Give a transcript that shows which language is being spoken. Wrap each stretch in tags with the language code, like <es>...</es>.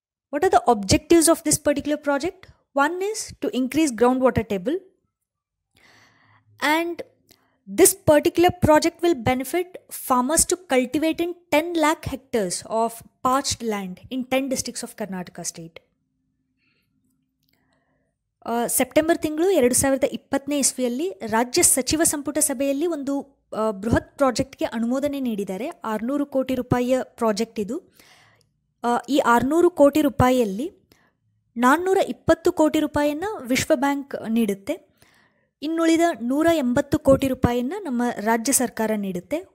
<en>What are the objectives of this particular project? One is to increase groundwater table, and this particular project will benefit farmers to cultivate in 10 lakh hectares of parched land in 10 districts of Karnataka state.</en> <kn>September ತಿಂಗಳು 2020 ರಾಜ್ಯ ಸಚಿವ ಸಂಪುಟ ಸಭೆಯಲ್ಲಿ ಒಂದು ಬೃಹತ್ ಪ್ರಾಜೆಕ್ಟ್ಗೆ ಅನುಮೋದನೆ ನೀಡಿದ್ದಾರೆ. 600 crore rupees project ಇದು. ಈ 600 crore rupees 420 crore rupees ವಿಶ್ವ ಬ್ಯಾಂಕ್ ನೀಡುತ್ತೆ. ಇನ್ನುಳಿದ 180 crore rupees ನಮ್ಮ ರಾಜ್ಯ ಸರ್ಕಾರ ನೀಡುತ್ತೆ.</kn>